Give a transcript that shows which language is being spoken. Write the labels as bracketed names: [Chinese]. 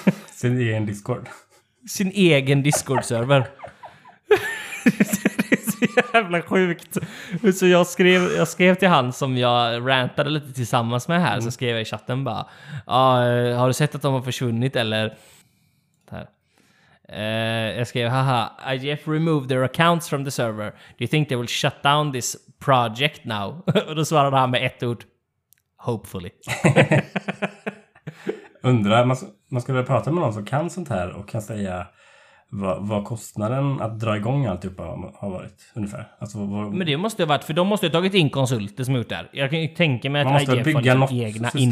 [Swedish] sin egen Discord. Sin egen Discord-server. Det är så jävla sjukt. Så jag skrev till han som jag rantade lite tillsammans med här. Så skrev jag i chatten bara, har du sett att de har försvunnit eller? Jag skrev, [English] haha, IGF removed their accounts from the server. Do you think they will shut down this project now? [Swedish] Och då svarade han med ett ord, hopefully. Undrar, man skulle väl prata med någon som kan sånt här och kan säga vad kostnaden att dra igång alltihopa har varit, ungefär. Alltså, men det måste ha varit, för de måste ha tagit in konsulter som ut där. Jag kan ju tänka mig att IGF har liksom något egna system.